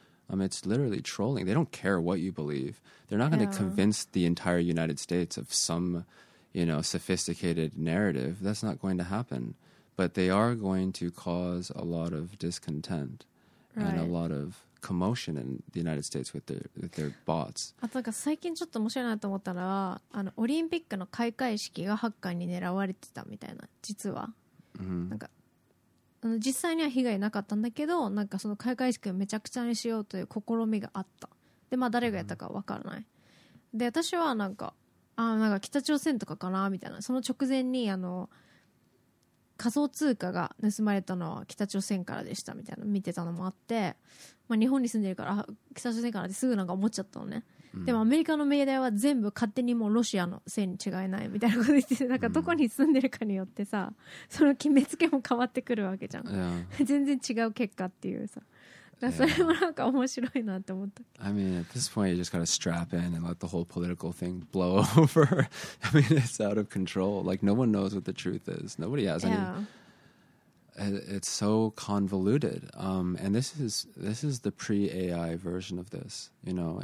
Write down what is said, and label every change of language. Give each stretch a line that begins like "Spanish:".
English: It's literally trolling. They don't care what you believe. They're not going to convince the entire United States of some, you know, sophisticated narrative. That's not going to happen. But they are going to cause a lot of discontent and a lot of commotion in the United States with their bots.
Japanese: あとなんか最近ちょっと面白いなと思ったのは、あのオリンピックの開会式がハッカーに狙われてたみたいな、実は。
English: Mm-hmm.
Japanese: なんかあの実際には被害なかったんだけど、なんかその開会式をめちゃくちゃにしようという試みがあった。で、まあ誰がやったかわからない。
English: Mm-hmm.
Japanese: で、私はなんか、あ、なんか北朝鮮とかかなみたいな。その直前にあの仮想通貨が盗まれたのは北朝鮮からでしたみたいな見てたのもあって、まあ、日本に住んでるから北朝鮮からってすぐなんか思っちゃったのね、うん、でもアメリカのメディアは全部勝手にもうロシアのせいに違いないみたいなこと言ってて、なんかどこに住んでるかによってさ、うん、その決めつけも変わってくるわけじゃん、全然違う結果っていうさ、だそれもなんか面白いなって思った、
English: I mean at this point you just gotta strap in and let the whole political thing blow over. I mean it's out of control. Like no one knows what the truth is. Nobody has any. It's so convoluted. And this is the pre-AI version of this, you know.